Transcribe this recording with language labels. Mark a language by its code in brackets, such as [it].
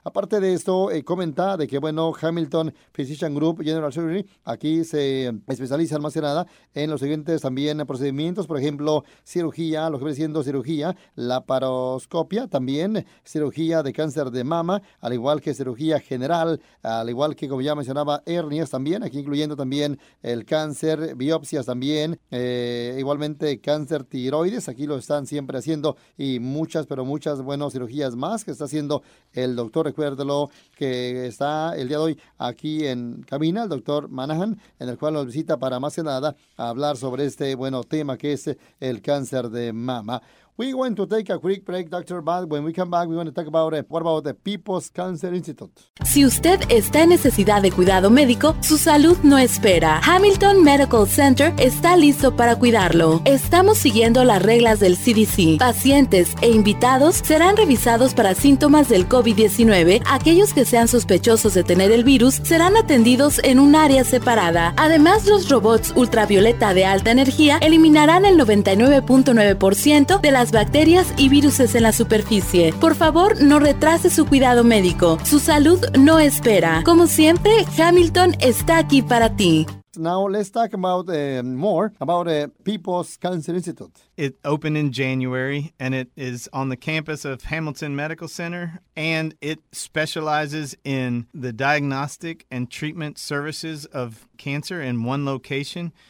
[es] Aparte de esto, comenta de que, bueno, Hamilton Physician Group General Surgery, aquí se especializan más que nada en los siguientes también procedimientos, por ejemplo, cirugía, lo que viene siendo cirugía, laparoscopia, también cirugía de cáncer de mama, al igual que cirugía general, al igual que, como ya mencionaba, hernias también, aquí incluyendo también el cáncer, biopsias también, igualmente cáncer tiroides, aquí lo están siempre haciendo, y muchas, pero muchas, bueno, cirugías más que está haciendo el doctor, recuérdelo, que está el día de hoy aquí en cabina, el doctor Manahan, en el cual nos visita para más que nada hablar sobre este, bueno, tema que es el cáncer de mama. [en] We want to take a quick break, Dr. Bad. When we come back, we want to talk about what about the People's Cancer Institute. [es] Si usted está en necesidad de cuidado médico, su salud no espera. Hamilton Medical Center está listo para cuidarlo. Estamos siguiendo las reglas del CDC. Pacientes e invitados serán revisados para síntomas del COVID-19. Aquellos que sean sospechosos de tener el virus serán atendidos en un área separada. Además, los robots ultravioleta de alta energía eliminarán el 99.9% de las bacterias y virus en la superficie. Por favor, no retrase su cuidado médico. Su salud no espera. Como siempre, Hamilton está aquí para ti. [en] Now let's talk about more about People's Cancer Institute. It opened in January and it is on the campus of Hamilton Medical Center, and it specializes in the diagnostic and treatment services of cancer in one location.